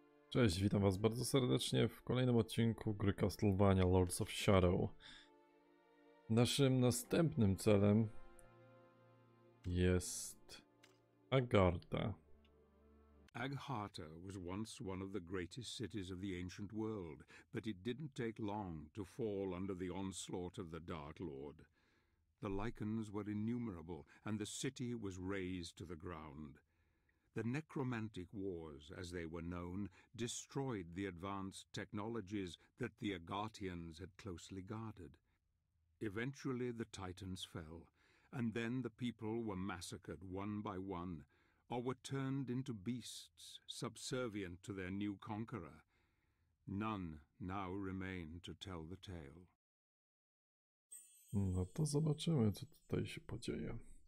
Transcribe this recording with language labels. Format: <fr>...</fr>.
<pl>Cześć, witam was bardzo serdecznie w kolejnym odcinku gry Castlevania Lords of Shadow. Naszym następnym celem jest Agartha.</pl> <en>Agartha was once one of the greatest cities of the ancient world, but it didn't take long to fall under the onslaught of the Dark Lord. The lichens were innumerable and the city was razed to the ground. The necromantic wars, as they were known, destroyed the advanced technologies that the Agartians had closely guarded. Eventually the Titans fell, and then the people were massacred one by one, or were turned into beasts, subservient to their new conqueror. None now remain to tell the tale.</en> <pl>No to zobaczymy, co tutaj się podzieje.</pl>